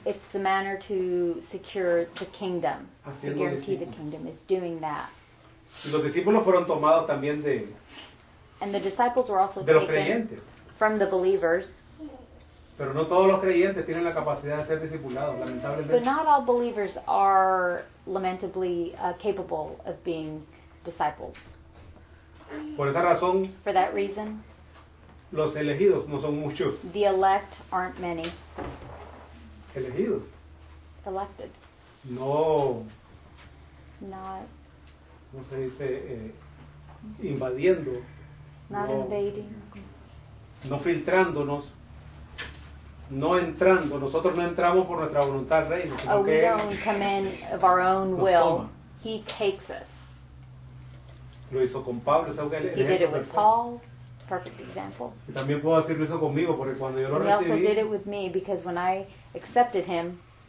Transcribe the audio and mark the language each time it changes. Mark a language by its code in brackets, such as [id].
[en] It's the manner to secure the kingdom. [es] Haciendo [en] to guarantee [es] discípulos. [en] The kingdom is doing that. [es] Los discípulos fueron tomados también de [en] and the disciples were also [es] de los [en] taken [es] creyentes. [en] From the believers. [es] Pero no todos los creyentes tienen la capacidad de ser discipulados, lamentablemente. [en] But not all believers are lamentably capable of being disciples. [es] Por esa razón, [en] for that reason, [es] los elegidos no son muchos. [en] The elect aren't many. [es] Elegidos. [en] Elected. [es] No. [en] Not. [es] ¿Cómo se dice? Invadiendo. [en] Not [es] no, [en] invading. [es] No filtrándonos. No entrando. Nosotros no entramos por nuestra voluntad, reino. [en] Oh, we don't come in of our own will. [es] Toma. [en] He takes us. [es] Lo hizo con Pablo, ¿sabes qué? [en] He did it with Paul, perfect example. [es] Y también puedo decir lo hizo conmigo porque cuando yo lo recibí. [en] He also did it with me because when I accepted him.